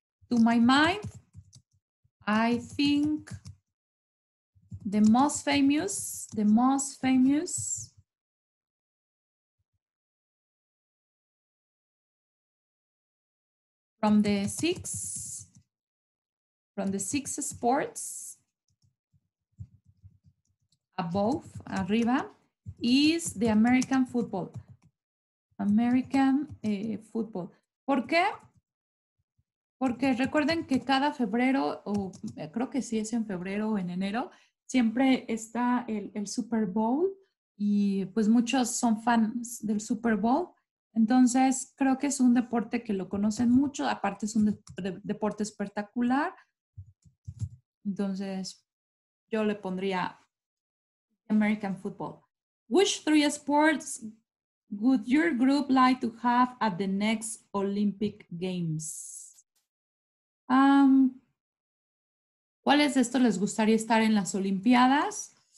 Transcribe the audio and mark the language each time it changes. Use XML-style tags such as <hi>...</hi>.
<en>To my mind, I think The most famous from the six sports above,</en> <es>arriba,</es> <en>is the American football. American football.</en> <es>¿Por qué? Porque recuerden que cada febrero, creo que sí es en febrero o en enero, siempre está el Super Bowl y pues muchos son fans del Super Bowl. Entonces creo que es un deporte que lo conocen mucho. Aparte es un deporte espectacular. Entonces yo le pondría American football.</es> <en>Which three sports would your group like to have at the next Olympic Games?</en> <es>¿Cuáles de estos les gustaría estar en las Olimpiadas?</es>